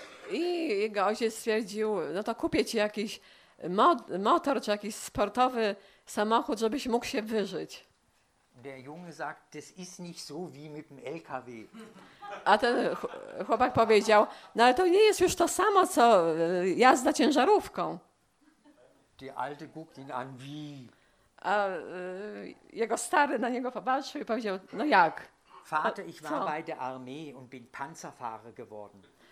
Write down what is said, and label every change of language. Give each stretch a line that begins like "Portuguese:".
Polish: I jego ojciec stwierdził, no to kupię ci jakiś motor czy jakiś sportowy samochód, żebyś mógł się wyżyć.
German: Der Junge sagt, das ist nicht so wie mit dem LKW.
Polish: A ten chłopak powiedział, no ale to nie jest już to samo, co jazda ciężarówką.
German: Die alte guckt ihn an, wie...
Polish: A jego stary na niego popatrzył i powiedział, no jak?
German: Vater, ich war bei der Armee und bin Panzerfahrer geworden.